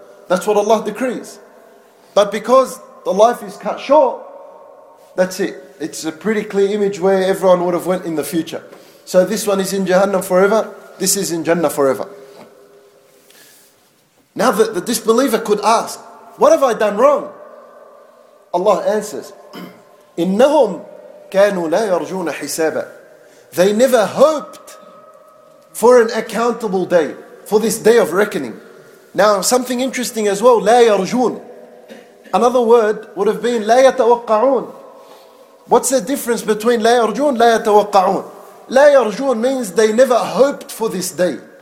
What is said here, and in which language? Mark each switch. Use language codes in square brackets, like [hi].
[en] That's what Allah decrees. But because the life is cut short, that's it. It's a pretty clear image where everyone would have went in the future. So this one is in Jahannam forever. This is in Jannah forever. Now that the disbeliever could ask, what have I done wrong? Allah answers, [ar] إِنَّهُمْ كَانُوا لَا يَرْجُونَ حِسَابًا. [en] They never hoped for an accountable day, for this day of reckoning. Now, something interesting as well, [ar] لَا يَرْجُونَ. [en] Another word would have been [ar] لَا يَتَوَقَّعُونَ. [en] What's the difference between [ar] لَا يَرْجُونَ, لَا يَتَوَقَّعُونَ? لَا يَرْجُونَ [en] means they never hoped for this day.